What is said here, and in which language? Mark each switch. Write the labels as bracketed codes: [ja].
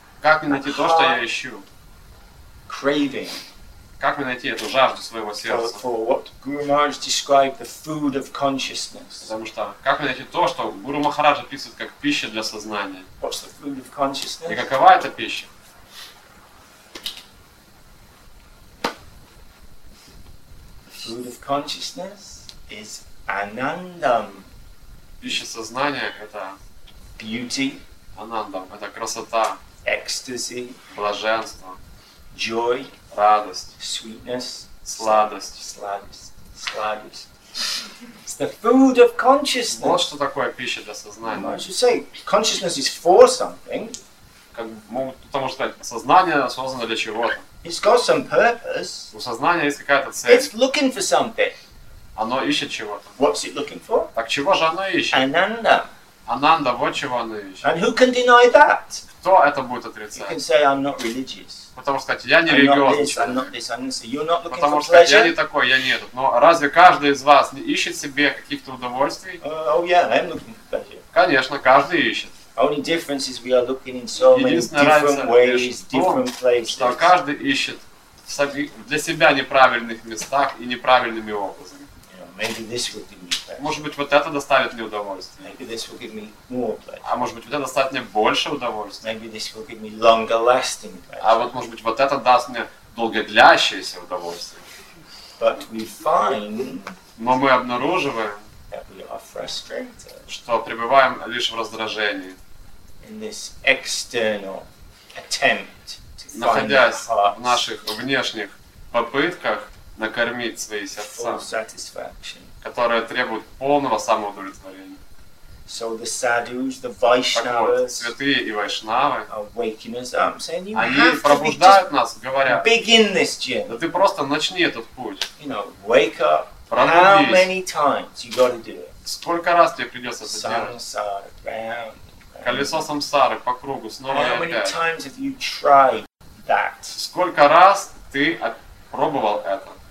[ru] Как мне найти то, что я ищу? [en] Craving. [ru] Как мне найти эту жажду своего сердца? [en] For what Guru Maharaj described the food of consciousness. [ru] Потому что как мне найти то, что Гуру Махарадж описывает как пища для сознания? [en] What's the food of consciousness? [ru] И какова эта пища? [en] The food of consciousness is anandam. [ru] Пища сознания это [en] beauty. [ru] Анандам это красота. [en] Ecstasy. [ru] Блаженство. [en] Joy. [ru] Радость. [en] Sweetness. [ru] Сладость. Сладость. [en] It's the food of consciousness. [ru] Вот что такое пища для сознания. [en] Well, I should say, consciousness is for something. [ru] Как кто-то может сказать, сознание создано для чего-то. [en] It's got some purpose. [ru] У сознания есть какая-то цель. [en] It's looking for something. [ru] Оно ищет чего-то. [en] What's it looking for? [ru] Так чего же оно ищет? Ананда. Ананда, вот чего оно ищет. [en] And who can deny that? [ru] Кто это будет отрицать? [en] You can say, I'm not religious. [ru] Потому что сказать, я не религиозный человек. Потому что сказать, я не такой, я не этот. Но разве каждый из вас не ищет себе каких-то удовольствий? [en] Oh, yeah, I'm looking for pleasure. [ru] Конечно, каждый ищет. [en] Only difference is we are looking in so many different ways, different places. [ru] Что каждый ищет для себя неправильных местах и неправильными образами. [en] Maybe this will give me pleasure. [ru] Может быть, вот это доставит мне удовольствие. [en] Maybe this will give me more pleasure. [ru] А может быть, вот это доставит мне больше удовольствия. [en] Maybe this will give me longer lasting pleasure. [ru] А вот, может быть, вот это даст мне долгодлящееся удовольствие. [en] But we find, [ru] но мы обнаруживаем, [en] that we are frustrated, [ru] что пребываем лишь в раздражении. [en] In this external attempt to find [ru] находясь в наших внешних попытках накормить свои сердца, которые требуют полного самоудовлетворения. [en] So the sadhus, the Vaishnavas, [ru] святые и вайшнавы, [en] are waking us up, saying, you [ru] они пробуждают нас, говоря, [en] begin this journey. [ru] Да ты просто начни этот путь. [en] You know, wake up. [ru] Пробудись. [en] How many times you got to do it? [ru] Сколько раз тебе придется это [en] Samsara, [ru] делать? [en] Round, round. [ru] Колесо самсары по кругу снова [en] how [ru] и опять. [en] How many times have you tried that? [ru] Сколько раз ты пробовал это?